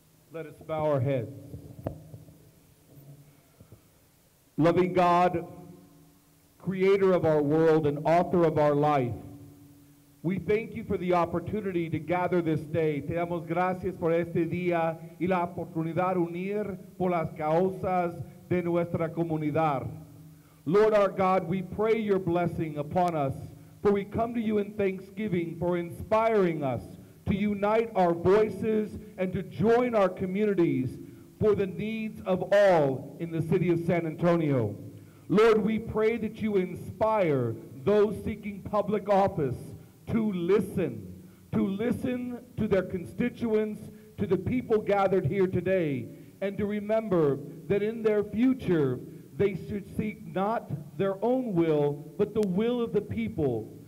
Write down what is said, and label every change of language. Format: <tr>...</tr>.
<en>Let us bow our heads. Loving God, creator of our world and author of our life, we thank you for the opportunity to gather this day.</en> <es>Te damos gracias por este día y la oportunidad de unir por las causas de nuestra comunidad.</es> <en>Lord our God, we pray your blessing upon us, for we come to you in thanksgiving for inspiring us to unite our voices and to join our communities for the needs of all in the city of San Antonio. Lord, we pray that you inspire those seeking public office to listen to their constituents, to the people gathered here today, and to remember that in their future, they should seek not their own will, but the will of the people.</en>